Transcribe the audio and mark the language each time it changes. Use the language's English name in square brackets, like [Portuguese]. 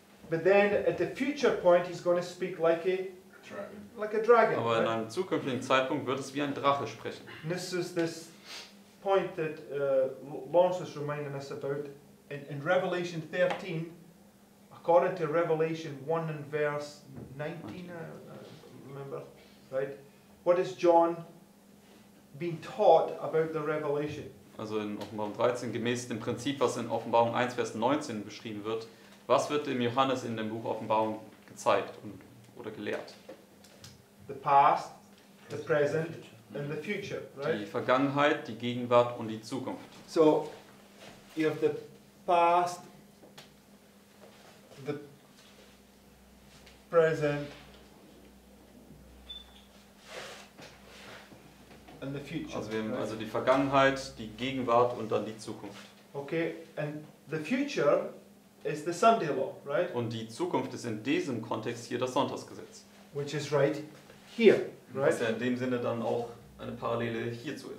[English] But then at the future point he's going to speak like a dragon. Like a dragon. [German] Aber in einem zukünftigen Zeitpunkt wird es wie ein Drache sprechen. [English] This is this point that Lawrence was reminding us about in Revelation 13, according to Revelation 1 and verse 19, remember, right? What is John being taught about the revelation? [German] Also in Offenbarung 13, gemäß dem Prinzip, was in Offenbarung 1, Vers 19 beschrieben wird, was wird dem Johannes in dem Buch Offenbarung gezeigt und, oder gelehrt? [English] The past, the present, and the future, right? [German] Die Vergangenheit, die Gegenwart und die Zukunft. [English] So, you have the past, the present, and the future. [German] Also, wir haben, right? Also die Vergangenheit, die Gegenwart und dann die Zukunft. [English] Okay, and the future is the Sunday law, right? [German] Und die Zukunft ist in diesem Kontext hier das Sonntagsgesetz. [English] Which is right here, right? [German] Was ja in dem Sinne dann auch eine Parallele hierzu ist.